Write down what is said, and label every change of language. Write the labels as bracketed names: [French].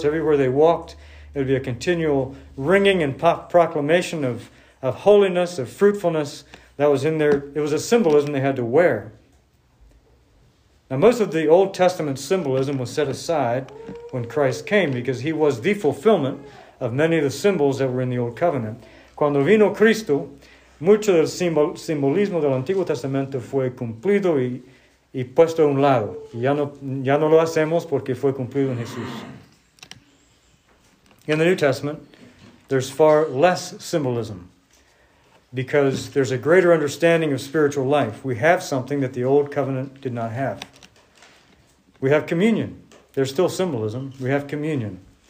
[English] So everywhere they walked, it would be a continual ringing and proclamation of holiness, of fruitfulness. That was in there. It was a symbolism they had to wear. Now, most of the Old Testament symbolism was set aside when Christ came because he was the fulfillment of many of the symbols that were in the Old Covenant. [Spanish] Cuando vino Cristo, mucho del simbolismo del Antiguo Testamento fue cumplido y puesto a un lado. Ya no lo hacemos porque fue cumplido en Jesús. [English] In the New Testament, there's far less symbolism, because there's a greater understanding of spiritual life. We have something that the Old Covenant did not have. We have communion. There's still symbolism. We have communion.